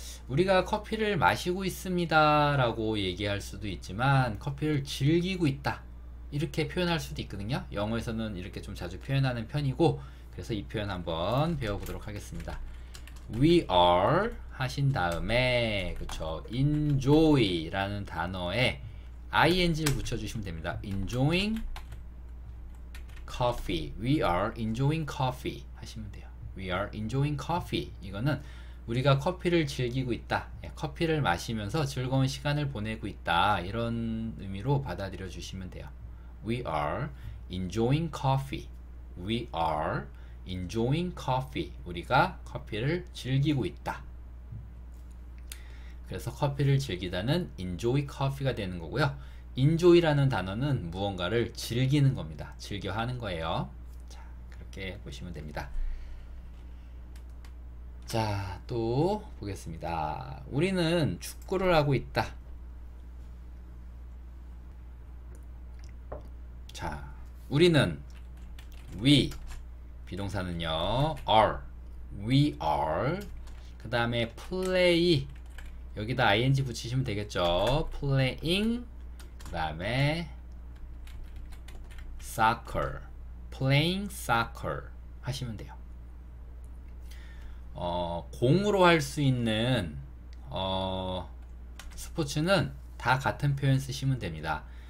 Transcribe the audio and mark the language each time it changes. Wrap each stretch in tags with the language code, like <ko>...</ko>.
<ko>우리가 커피를 마시고 있습니다라고 얘기할 수도 있지만 커피를 즐기고 있다 이렇게 표현할 수도 있거든요. 영어에서는 이렇게 좀 자주 표현하는 편이고 그래서 이 표현 한번 배워보도록 하겠습니다.</ko> <en>We are</en> <ko>하신 다음에 그쵸? Enjoy라는 단어에 ing을 붙여주시면 됩니다.</ko> <en>Enjoying coffee. We are enjoying coffee</en> <ko>하시면 돼요.</ko> <en>We are enjoying coffee.</en> <ko>이거는 우리가 커피를 즐기고 있다. 커피를 마시면서 즐거운 시간을 보내고 있다. 이런 의미로 받아들여 주시면 돼요.</ko> <en>We are enjoying coffee. We are enjoying coffee.</en> <ko>우리가 커피를 즐기고 있다. 그래서 커피를 즐기다는</ko> <en>enjoy coffee</en> <ko>가 되는 거고요. enjoy라는 단어는 무언가를 즐기는 겁니다. 즐겨 하는 거예요. 자, 그렇게 보시면 됩니다. 자, 또 보겠습니다. 우리는 축구를 하고 있다. 자, 우리는 we 비동사는요, are,</ko> <en>we are.</en> <ko>그 다음에 play. 여기다 ing 붙이시면 되겠죠. playing. 그 다음에 soccer. playing soccer. 하시면 돼요. 공으로 할수 있는, 스포츠는 다 같은 표현 쓰시면 됩니다.</ko>